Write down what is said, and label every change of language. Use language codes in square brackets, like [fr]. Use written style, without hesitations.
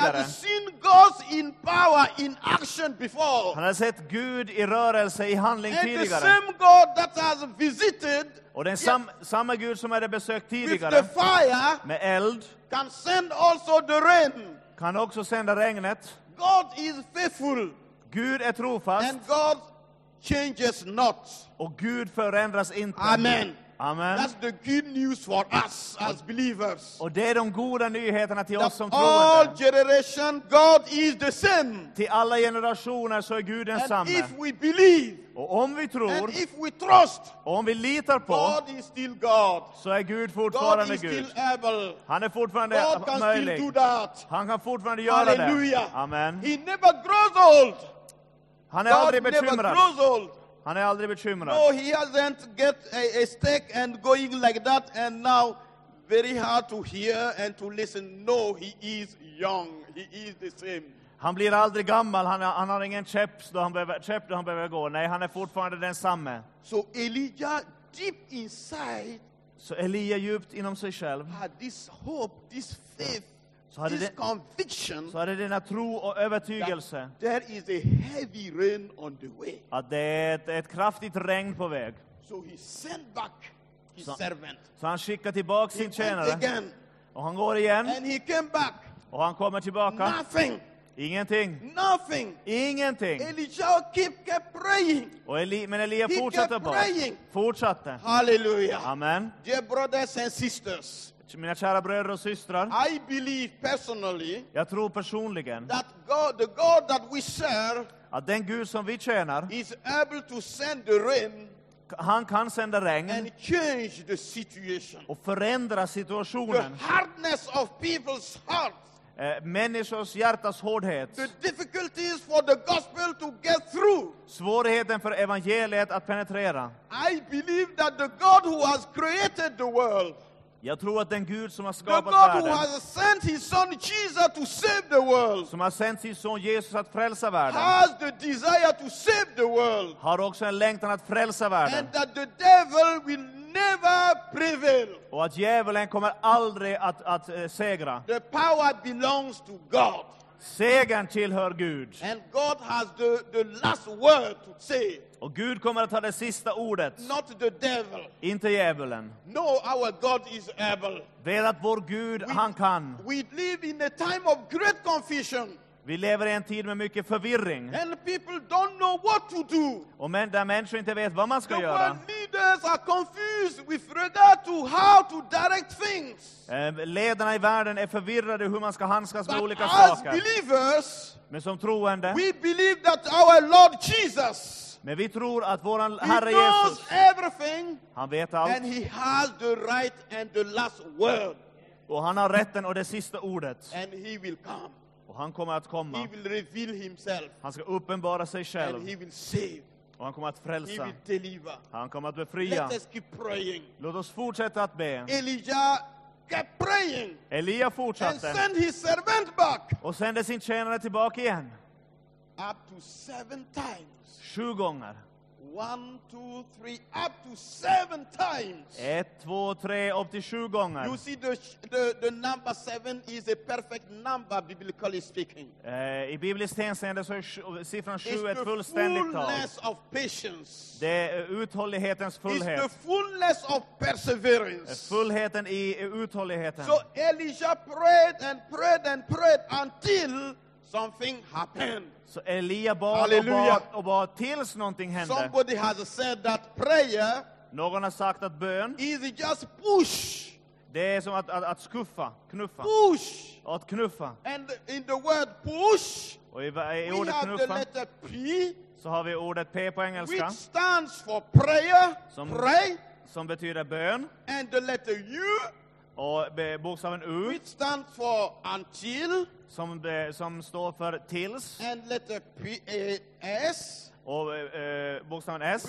[en] He had seen God in power in action before. [sv] Han hade sett Gud i rörelse i handling [en] and [sv] tidigare. [en] And the same God that has visited. [sv] Och den samma Gud som hade besökt tidigare. [en] With the fire. [sv] Med eld. [en] Can send also the rain. [sv] Kan också sända regnet. [en] God is faithful. [sv] Gud är trofast. [en] And God changes not. [sv] Och Gud förändras inte. [en] Amen. [sv] Amen. [en] That's the good news for us as believers. [sv] Och det är de goda nyheterna till [en] that [sv] oss som troende. [en] All generation God is the same. [sv] Till alla generationer så är Gud densamma. [en] And if we believe. [sv] Och om vi tror. [en] And if we trust. [sv] Och om vi litar på. [en] God is still God. [sv] Så är Gud fortfarande [en] God. [sv] Gud. [en] Is still able. [sv] Han är fortfarande [en] God can [sv] möjlig. [en] Still do that. [sv] Han kan fortfarande Halleluja. Göra det. Halleluja. Amen. [en] He never grows old. [sv] Han är [en] God [sv] aldrig bekymrad. [en] Never grows old. [sv] Han är aldrig bekymrad. [en] No, he hasn't get a stick and going like that and now very hard to hear and to listen. No, he is young. He is the same. [sv] Han blir aldrig gammal. Han har ingen käpp då han behöver gå. Nej, han är fortfarande den samma. [en] So Elijah deep inside. [sv] Så Elia djupt inom sig själv. [en] Had this hope, this faith. So this [sv] hade [en] conviction. [sv] Så hade denna tro och övertygelse. [en] There is a heavy rain on the way. [sv] Att det är ett kraftigt regn på väg. [en] So he sent back his servant. [sv] Så han skickar tillbaka sin tjänare. [en] Again. [sv] Och han går igen. [en] And he came back. [sv] Och han kommer tillbaka. [en] Nothing. [sv] Ingenting. [en] Nothing. [sv] Ingenting. [en] Elijah kept praying. [sv] Och Elia fortsatte bara. [en] Praying. [sv] Fortsatte. [en] Hallelujah. [sv] Amen. [en] Dear brothers and sisters. [sv] Mina kära bröder och systrar. [en] I believe personally. [sv] Jag tror personligen. [en] That God, the God that we serve. [sv] Att den Gud som vi tjänar. [en] Is able to send the rain. [sv] Han kan sända regn. [en] And change the situation. [sv] Och förändra situationen. [en] The hardness of people's hearts. [sv] Människors hjärtas hårdhet. [en] The difficulties for the gospel to get through. [sv] Svårigheten för evangeliet att penetrera. [en] I believe that the God who has created the world. [sv] Jag tror att den Gud som har skapat världen. [en] His son Jesus to save the world, [sv] som har sänt sin son Jesus att frälsa världen. [en] Has the desire to save the world, [sv] har också en längtan att frälsa världen. [en] And that the devil will never prevail. [sv] Och att djävulen kommer aldrig att segra. [en] The power belongs to God. [sv] Segern tillhör Gud. [en] And God has the last word to say. [sv] Och Gud kommer att ha det sista ordet. [en] Not the devil. [sv] Inte djävulen. [en] No, our God is able. [sv] Det att vår Gud, han kan. [en] We live in a time of great confusion. [sv] Vi lever i en tid med mycket förvirring. [en] And people don't know what to do. [sv] Och där människor inte vet vad man ska [en] the [sv] göra. [en] The world leaders are confused with regard to how to direct things. [sv] Ledarna i världen är förvirrade hur man ska handskas [en] But [sv] med olika [en] as [sv] saker. [en] As believers, [sv] men som troende, [en] we believe that our Lord Jesus. [sv] Men vi tror att våran [en] he [sv] Herre [en] knows [sv] Jesus. [en] Everything, [sv] han vet allt. [en] And he has the right and the last word. [sv] Och han har rätten och det sista ordet. [en] And he will come. [sv] Och han kommer att komma. [en] He will reveal himself. [sv] Han ska uppenbara sig själv. [en] And he will save. [sv] Och han kommer att frälsa. [en] He will deliver. [sv] Han kommer att befria. [en] Let us keep praying. [sv] Låt oss fortsätta att be. [en] Elijah kept praying. [sv] Elia fortsatte. [en] And send his servant back. [sv] Och sände sin tjänare tillbaka igen. [en] Up to 7 times. [sv] 7 gånger. [en] 1, 2, 3, up to 7 times. [sv] 1, 2, 3, upp till 7 gånger. [en] You see the number 7 is a perfect number, biblically speaking. [sv] I biblisk hänseende så är siffran 7 ett fullständigt tal. [en] Fullness of patience. [sv] Det är uthållighetens fullhet. [en] It's the fullness of perseverance. [sv] Fullheten i uthålligheten. [en] So Elijah prayed and prayed and prayed until something happened. [sv] Så Elia bad tills någonting hände. [en] Somebody has said that prayer. [sv] Någon har sagt att bön. [en] Is just push. [sv] Det är som att skuffa, knuffa. [en] Push. [sv] Att knuffa. [en] And in the word push. [sv] Och i ordet [en] we [sv] knuffa. [en] We have the letter P. [sv] Så har vi ordet P på engelska. [en] Which stands for prayer. [sv] Som, pray. Som betyder bön. [en] And the letter U. [sv] Och bokstaven U. [en] Which stands for until. [sv] Som står för tills. [en] And letter P-A-S. [sv] Och bokstaven S.